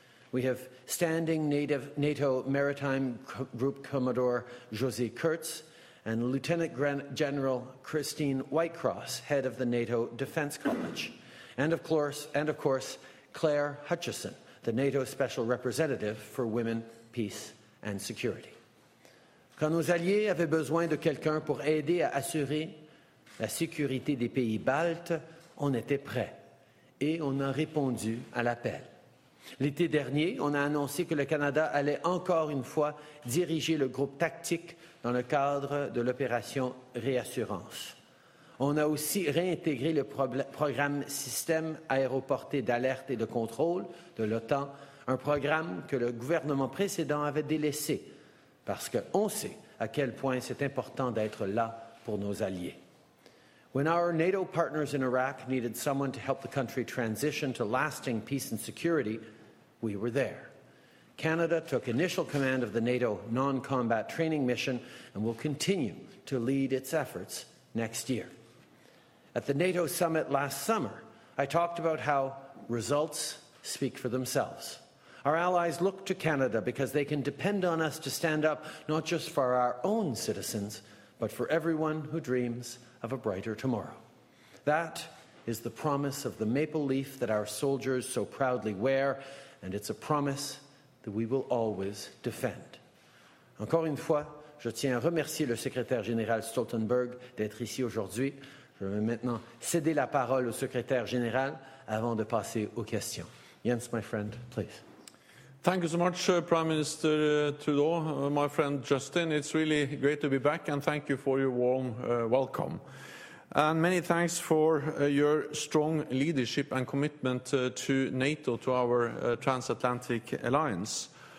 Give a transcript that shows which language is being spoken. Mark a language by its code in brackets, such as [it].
[en] We have standing NATO Maritime Group Commodore Josie Kurtz and Lieutenant General Christine Whitecross, head of the NATO Defence College. And of course, Claire Hutchison, the NATO Special Representative for Women, Peace and Security. [fr] Quand nos alliés avaient besoin de quelqu'un pour aider à assurer la sécurité des pays baltes, on était prêts et on a répondu à l'appel. L'été dernier, on a annoncé que le Canada allait encore une fois diriger le groupe tactique dans le cadre de l'opération Réassurance. On a aussi réintégré le programme Système aéroporté d'alerte et de contrôle de l'OTAN, un programme que le gouvernement précédent avait délaissé, parce qu'on sait à quel point c'est important d'être là pour nos alliés. [en] When our NATO partners in Iraq needed someone to help the country transition to lasting peace and security, we were there. Canada took initial command of the NATO non-combat training mission and will continue to lead its efforts next year. At the NATO summit last summer, I talked about how results speak for themselves. Our allies look to Canada because they can depend on us to stand up not just for our own citizens, but for everyone who dreams of a brighter tomorrow. That is the promise of the maple leaf that our soldiers so proudly wear, and it's a promise that we will always defend. [fr] Encore une fois, je tiens à remercier le secrétaire général Stoltenberg d'être ici aujourd'hui. Je vais maintenant céder la parole au secrétaire général avant de passer aux questions. [en] Jens, my friend, please. Thank you so much, Prime Minister Trudeau, my friend Justin. It's really great to be back, and thank you for your warm welcome. And many thanks for your strong leadership and commitment to NATO, to our transatlantic alliance.